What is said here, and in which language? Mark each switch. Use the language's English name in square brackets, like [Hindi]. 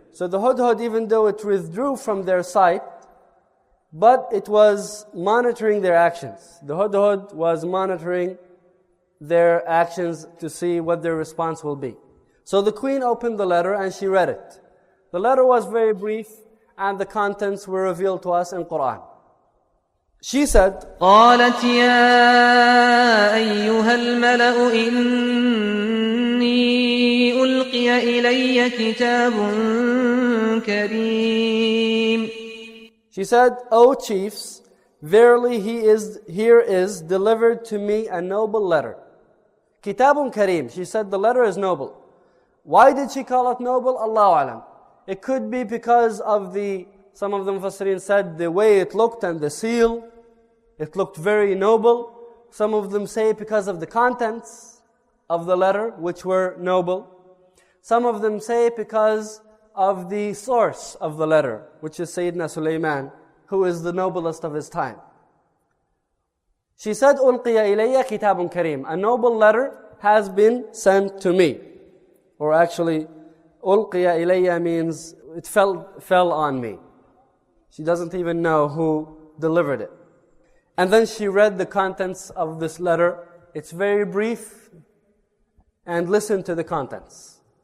[English] So the Hudhud, even though it withdrew from their sight, But it was monitoring their actions. The Hudhud was monitoring their actions to see what their response will be. So the queen opened the letter and she read it. The letter was very brief and the contents were revealed to us in Quran. She said, [Arabic] قالت يا أيها الملأ إني ألقي إلي كتاب كريم. [English] She said, O chiefs, verily here is delivered to me a noble letter. [Arabic] Kitabun Kareem. [English] She said the letter is noble. Why did she call it noble? Allahu alam. It could be because of some of the Mufassirin said the way it looked and the seal. It looked very noble. Some of them say because of the contents of the letter, which were noble. Some of them say because of the source of the letter, which is Sayyidina Sulaiman, who is the noblest of his time. She said, [Arabic] أُلْقِيَ إِلَيَّ كِتَابٌ كَرِيمٌ. [English] A noble letter has been sent to me. Or actually, [Arabic] أُلْقِيَ إِلَيَّ [English] means it fell on me. She doesn't even know who delivered it. And then she read the contents of this letter. It's very brief. And listen to the contents.